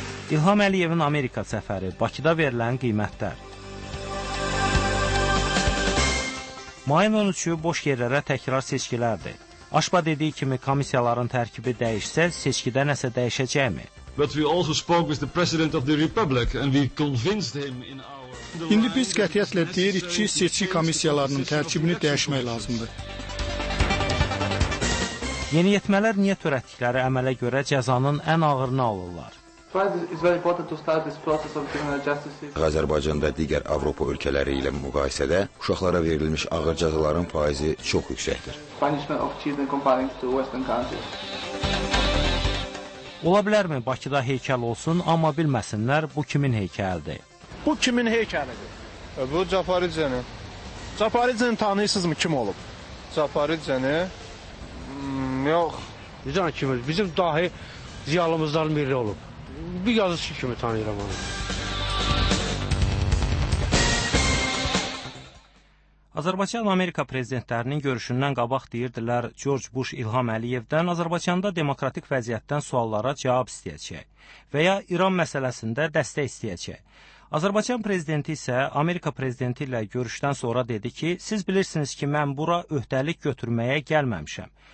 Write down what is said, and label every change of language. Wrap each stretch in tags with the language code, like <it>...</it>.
<az>İlham Əliyevin Amerika səfəri, Bakıda verilən qiymətlər. Mayın 13-ü boş yerlərə təkrar seçkilərdir. Aşba dediyi kimi komissiyaların tərkibi dəyişsə, seçkidə nəsə dəyişəcəkmi?</az> <en>But we also spoke with the President of the Republic and we convinced him in our...</en> <az>İndi biz qətiyyətlə deyirik ki, seçki komissiyalarının tərkibini dəyişmək lazımdır. Yeni yetmələr niyə törətdikləri əmələ görə cəzanın ən ağırını alırlar? Azərbaycanda digər Avropa ölkələri ilə müqayisədə uşaqlara verilmiş ağır cəzaların faizi çox yüksəkdir. Ola bilərmi Bakıda heykəl olsun, amma bilməsinlər bu kimin heykəlidir? Bu kimin heykəlidir? Bu Caparidzenin. Caparidzeni tanıyırsınızmı kim olub? Caparidzeni? Yox. Bizim kimi, bizim dahi ziyalımızdan biri olub. Bir yazıcı kimi tanıyıram onu. Azərbaycan-Amerika prezidentlərinin görüşündən qabaq deyirdilər George Bush İlham Əliyevdən Azərbaycanda demokratik vəziyyətdən suallara cavab istəyəcək və ya İran məsələsində dəstək istəyəcək. Azərbaycan prezidenti isə Amerika prezidenti ilə görüşdən sonra dedi ki, siz bilirsiniz ki, mən bura öhdəlik götürməyə gəlməmişəm.</az>